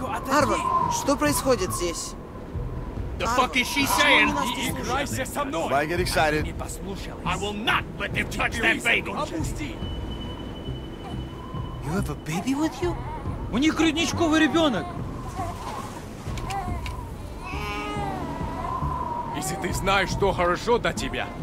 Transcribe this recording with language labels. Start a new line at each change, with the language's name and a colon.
Russian: Арво, что происходит здесь?
English: The fuck is she saying?
Russian: Играйся со мной!
English: Why get excited? I will not let them touch that bagel!
Russian: Опусти!
English: You have a baby with you?
Russian: У них грудничковый ребенок. Если ты знаешь, что хорошо для тебя,